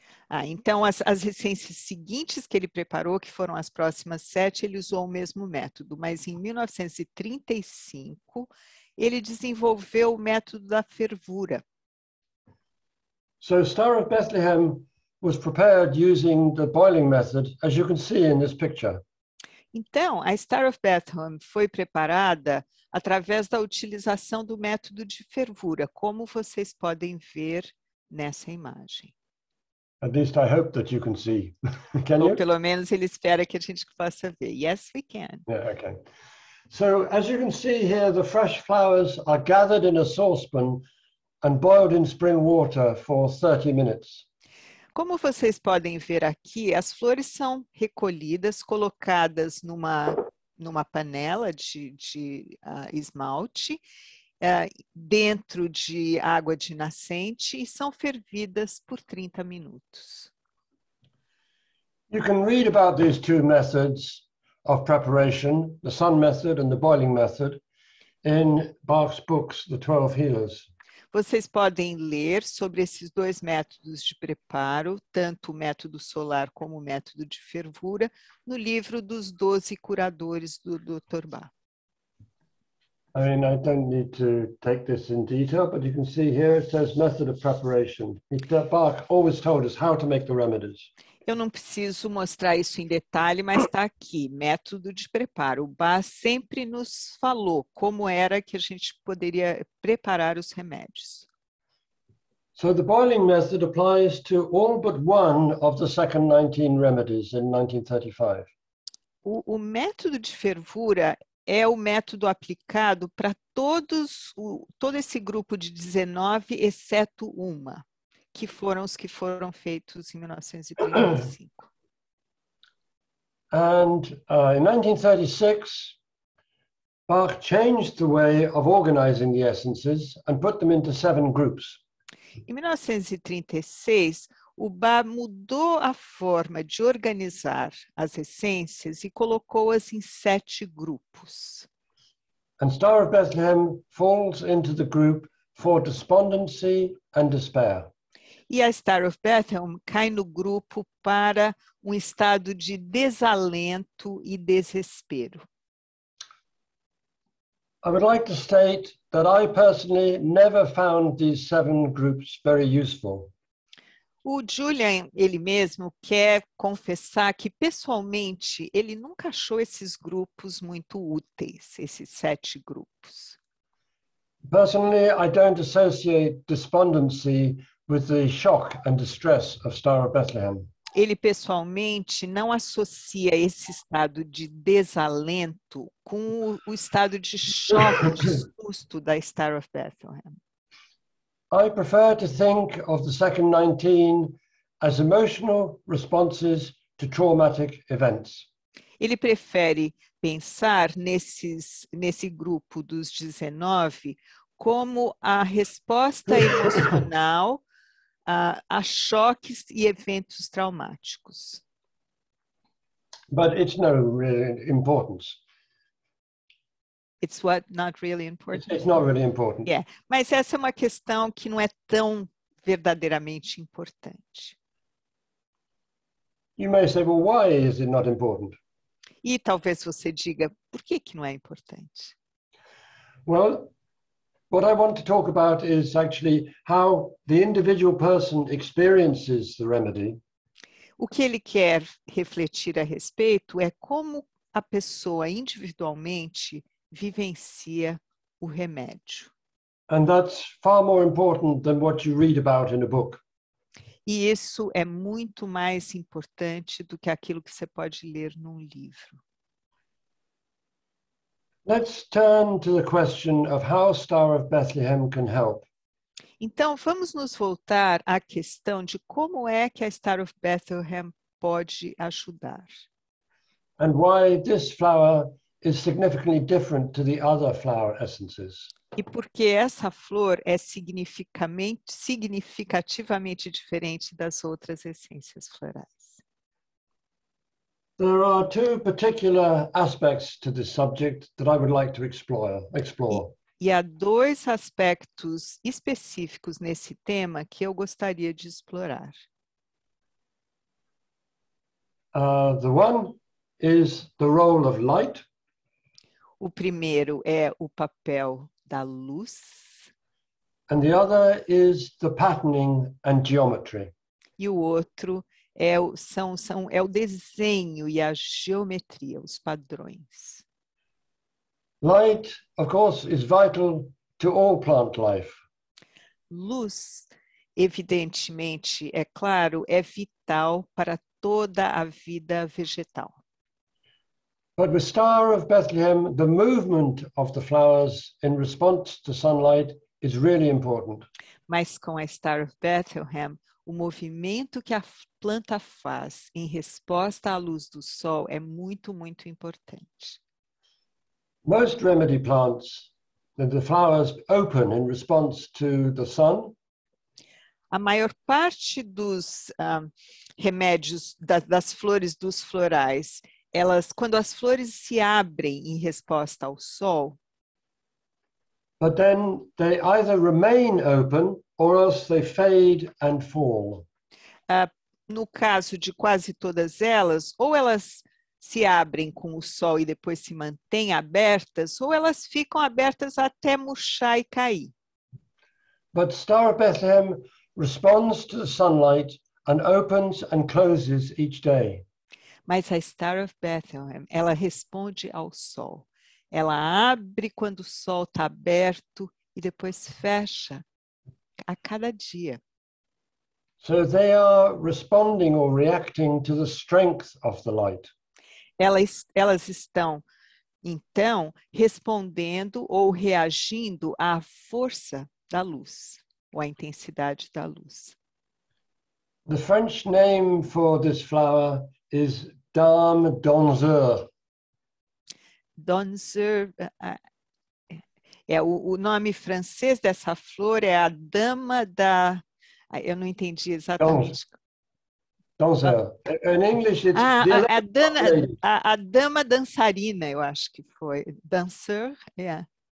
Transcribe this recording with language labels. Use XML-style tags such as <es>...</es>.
<pt>Ah, então as essências seguintes que ele preparou, que foram as próximas sete, ele usou o mesmo método. Mas em 1935, ele desenvolveu o método da fervura.</pt> <en>So Star of Bethlehem was prepared using the boiling method, as you can see in this picture.</en> <pt>Então, a Star of Bethlehem foi preparada através da utilização do método de fervura, como vocês podem ver nessa imagem.</pt> <en>At least I hope that you can see. Can</en> <pt>Ou</pt> <en>you?</en> <pt>Pelo menos ele espera que a gente possa ver.</pt> <en>Yes, we can. Yeah, okay. So, as you can see here, the fresh flowers are gathered in a saucepan and boiled in spring water for 30 minutes.</en> <pt>Como vocês podem ver aqui, as flores são recolhidas, colocadas numa panela de esmalte, dentro de água de nascente e são fervidas por 30 minutos.</pt> <en>You can read about these two methods of preparation, the sun method and the boiling method, in Bach's books, The 12 Healers.</en> <pt>Vocês podem ler sobre esses dois métodos de preparo, tanto o método solar como o método de fervura, no livro dos 12 curadores do Dr. Bach.</pt> <en>I mean, I don't need to take this in detail, but you can see here it says method of preparation. Bach always told us how to make the remedies.</en> <pt>Eu não preciso mostrar isso em detalhe, mas está aqui, método de preparo. O Bach sempre nos falou como era que a gente poderia preparar os remédios.</pt> <en>So the boiling method applies to all but one of the second 19 remedies in 1935.</en> <pt>O método de fervura é o método aplicado para todo esse grupo de 19, exceto uma. Que foram os que foram feitos em 1935.</pt> <en>And in 1936, Bach changed the way of organizing the essences and put them into seven groups.</en> <pt>Em 1936, o Bach mudou a forma de organizar as essências e colocou-as em sete grupos.</pt> <en>And Star of Bethlehem falls into the group for despondency and despair.</en> <pt>E a Star of Bethlehem cai no grupo para um estado de desalento e desespero.</pt> <en>I would like to state that I personally never found these seven groups very useful.</en> <pt>O Julian, ele mesmo, quer confessar que pessoalmente ele nunca achou esses grupos muito úteis, esses sete grupos.</pt> <en>Personally, I don't associate despondency with the shock and distress of Star of Bethlehem.</en> <pt>Ele pessoalmente não associa esse estado de desalento com o estado de choque, de susto da Star of Bethlehem.</pt> <en>I prefer to think of the second 19 as emotional responses to traumatic events.</en> <pt>Ele prefere pensar nesse grupo dos 19 como a resposta emocional a choques e eventos traumáticos.</pt> <en>But it's no real importance. It's what? Not really important? It's not really important.</en> <pt>Yeah, mas essa é uma questão que não é tão verdadeiramente importante.</pt> <en>You may say, well, why is it not important?</en> <pt>E talvez você diga, por que que não é importante?</pt> <en>Well, what I want to talk about is actually how the individual person experiences the remedy.</en> <pt>O que ele quer refletir a respeito é como a pessoa individualmente vivencia o remédio.</pt> <en>And that's far more important than what you read about in a book.</en> <pt>E isso é muito mais importante do que aquilo que você pode ler num livro.</pt> <en>Let's turn to the question of how Star of Bethlehem can help.</en> <pt>Então, vamos nos voltar à questão de como é que a Star of Bethlehem pode ajudar.</pt> <en>And why this flower is significantly different to the other flower essences.</en> <pt>E porque essa flor é significativamente diferente das outras essências florais.</pt> <en>There are two particular aspects to this subject that I would like to explore.</en> <pt>E há dois aspectos específicos nesse tema que eu gostaria de explorar.</pt> <en>The one is the role of light.</en> <pt>O primeiro é o papel da luz.</pt> <en>And the other is the patterning and geometry.</en> <pt>E o outro é o desenho e a geometria, os padrões.</pt> <en>Light, of course, is vital to all plant life.</en> <pt>Luz, evidentemente, é claro, é vital para toda a vida vegetal.</pt> <en>But with Star of Bethlehem, the movement of the flowers in response to sunlight is really important.</en> <pt>Mas com a Star of Bethlehem, o movimento que a planta faz em resposta à luz do sol é muito, muito importante.</pt> <en>Most remedy plants, the flowers open in response to the sun.</en> <pt>A maior parte dos remédios, das flores, dos florais, elas, quando as flores se abrem em resposta ao sol.</pt> <en>But then they either remain open or else they fade and fall.</en> <pt>No caso de quase todas elas, ou elas se abrem com o sol e depois se mantêm abertas, ou elas ficam abertas até murchar e cair.</pt> <en>But Star of Bethlehem responds to the sunlight and opens and closes each day.</en> <pt>Mas a Star of Bethlehem, ela responde ao sol. Ela abre quando o sol está aberto e depois fecha a cada dia.</pt> <en>So they are responding or reacting to the strength of the light.</en> <pt>Elas estão, então, respondendo ou reagindo à força da luz, ou à intensidade da luz.</pt> <en>The French name for this flower is dame donzeur.</en> <pt>Donzeur, o nome francês dessa flor é a dama da... Eu não entendi exatamente.</pt> <en>Donzeur. In English, it's...</en> <pt>A dama dançarina, eu acho que foi. Danseur, yeah.</pt>